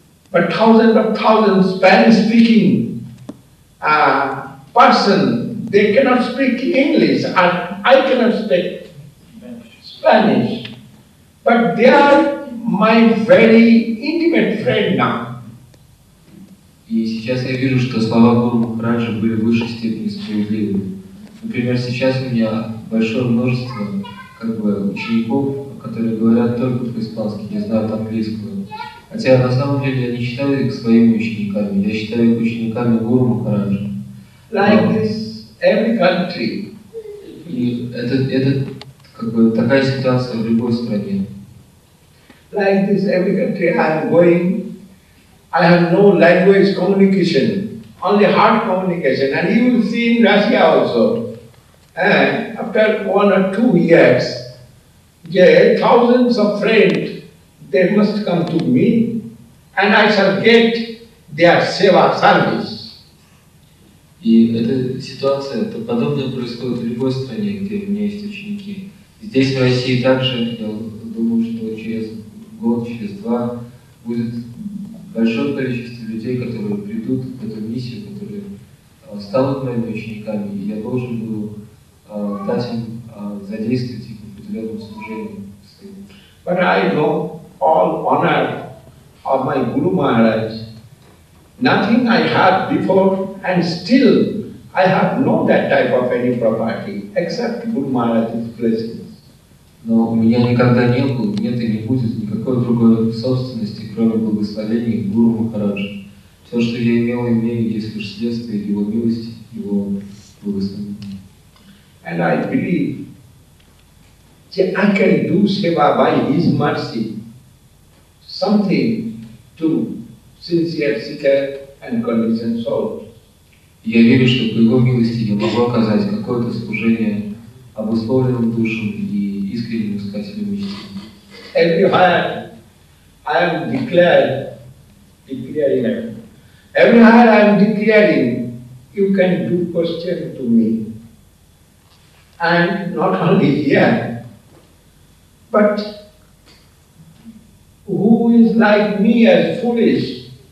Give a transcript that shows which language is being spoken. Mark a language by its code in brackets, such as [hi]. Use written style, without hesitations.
[en] But thousands of thousands Spanish-speaking person, they cannot speak English, and I cannot speak Spanish. But they are my very intimate friend now. [ru] И сейчас я вижу, что слова Гуру Махараджа были в высшей степени справедливы. Например, сейчас у меня большое множество учеников, которые говорят только по-испански, не знают английского. Хотя на самом деле я не считаю их своими учениками, я считаю их учениками Гуру Махараджа. [en] Like this, every country. [ru] И это такая ситуация в любой стране. [en] Like this, every country. I'm going. I have no language communication, only heart communication. And you will see in Russia also. And after one or two years, thousands of friends, they must come to me, and I shall get their seva service. [ru] И эта ситуация, это подобное происходит в любой стране, где у меня есть ученики. Здесь, в России, также, я думаю, что через год, через два, будет большое количество людей, которые придут в эту миссию, которые станут моими учениками, и я должен буду дать им задействовать их в определенном служении. [en] But I know all honor of my Guru Maharaj. Nothing I had before, and still I have no that type of any property except Guru Maharaj's blessings. [ru] Но у меня никогда не было, нет и не будет никакой другой собственности, кроме благословения Гуру Махараджа. Все, что я имел, имею, есть лишь следствие его милости, его благословения. [en] And I believe. See, I can do seva by His mercy, something to sincere seeker and conditioned souls. [ru] Я верю, что по Его милости я могу оказать какое-то служение обусловленным душам и искренним искателям истины. [en] Everywhere I am declaring. Everywhere I am declaring, you can do question to me, and not only here. But who is like me as foolish?